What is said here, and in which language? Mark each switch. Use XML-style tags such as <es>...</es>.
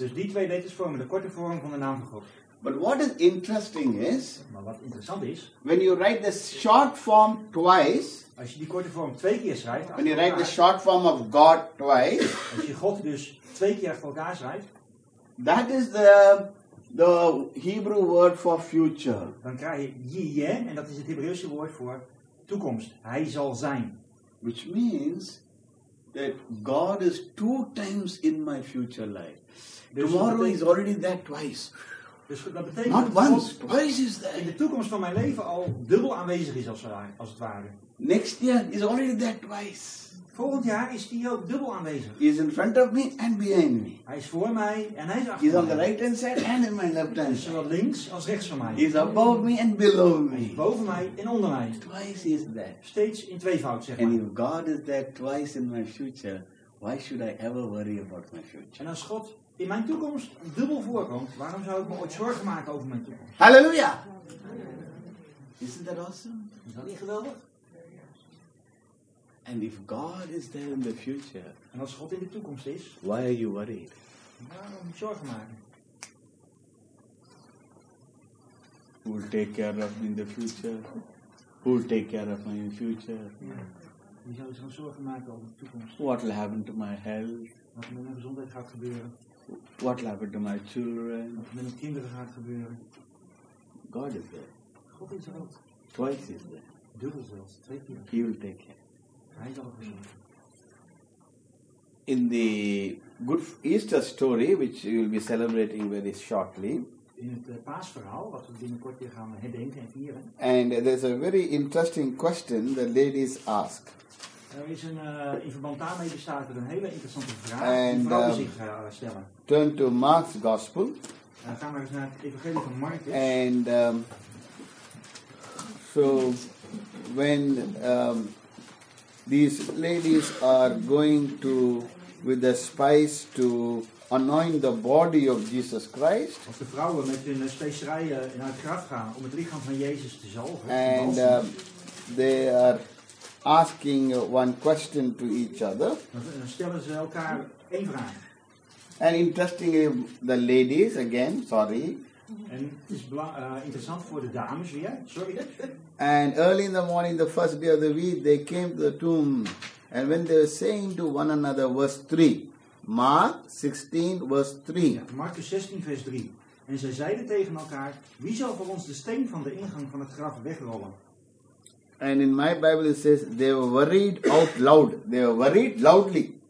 <nl>Dus die twee letters vormen de korte vorm van de naam van God.</nl> <en>But what is interesting is,</en> <nl>maar wat interessant is,</nl> <en>when you write the short form twice,</en> <nl>als je die korte vorm twee keer schrijft,</nl> <en>when you write the short form of God twice,</en> <nl>als je God dus twee keer voor elkaar schrijft,</nl> <en>that is the Hebrew word for future.</en> <nl>Dan krijg je yeh, en dat is het Hebreeuwse woord voor toekomst. Hij zal zijn.</nl> <en>Which means that God is two times in my future life.</en> <nl>Dus</nl> <en>tomorrow is already there twice.</en> <nl>Dus dat betekent</nl> <en>not</en> <nl>dat</nl> <en>once, God twice is there.</en> <nl>In de toekomst van mijn leven al dubbel aanwezig is als het ware.</nl> <en>Next year is already there twice.</en> <nl>Volgend jaar is hij ook dubbel aanwezig.</nl> <en>He is in front of me and behind me.</en> <nl>Hij is voor mij en hij is achter me.</nl> <en>He is on the right hand side and in my left hand.</en> <nl>Dus zowel links als rechts van mij.</nl> <en>He is above me and below me.</en> <nl>Hij is boven mij en onder mij.</nl> <en>Twice is there.</en> <nl>Steeds in tweevoud, zeg maar.</nl> <en>And if God is there twice in my future, why should I ever worry about my future?</en> <nl>En als God in mijn toekomst dubbel voorkomt, waarom zou ik me ooit zorgen maken over mijn toekomst? Halleluja!</nl> <en>Isn't that awesome?</en> <nl>Is dat niet geweldig?</nl> <en>And if God is there in the future,</en> <nl>en als God in de toekomst is,</nl> <en>why are you worried?</en> <nl>Waarom moet je zorgen maken?</nl> <en>Who will take care of me in the future? Who will take care of my future?</en> <nl>Wie zou zich zorgen maken over de toekomst?</nl> <en>What will happen to my health?</en> <nl>Wat met mijn gezondheid gaat gebeuren?</nl> <en>What will happen to my children?</en> <nl>Wat met mijn kinderen gaat gebeuren?</nl> <en>God is there.</en> <nl>God is er ook.</nl> <en>Twice is there.</en> <nl>Dubbel zelfs, twee keer.</nl> <en>He will take care. In the Good Easter story, which you will be celebrating very shortly,</en> <nl>in het paasverhaal wat we binnenkort weer gaan herdenken en vieren,</nl> <en>and there's a very interesting question the ladies ask.</en> <nl>Er is een in verband daarmee bestaat er een hele interessante vraag en, die vrouwen zich stellen.</nl> <en>Turn to Mark's Gospel.</en> <nl>Gaan we eens naar het Evangelie van Marcus.</nl> <en>And so when these ladies are going to, with the spices, to anoint the body of Jesus Christ.</en> <nl>Als de vrouwen met hun specerijen naar het graf gaan om het lichaam van Jezus te zalven.</nl> <en>And they are asking one question to each other.</en> <nl>Dan stellen ze elkaar één vraag.</nl> <en>And interestingly, the ladies again, sorry.</en> <nl>En het is interessant voor de dames weer, sorry.</nl> <en>And early in the morning, the first day of the week, they came to the tomb. And when they were saying to one another, verse 3. Mark 16, verse 3.</en> <nl>Ja, Markus 16, vers 3. En zij zeiden tegen elkaar, wie zal voor ons de steen van de ingang van het graf wegrollen?</nl> <en>And in my Bible it says, they were worried out loud. They were worried loudly.</en>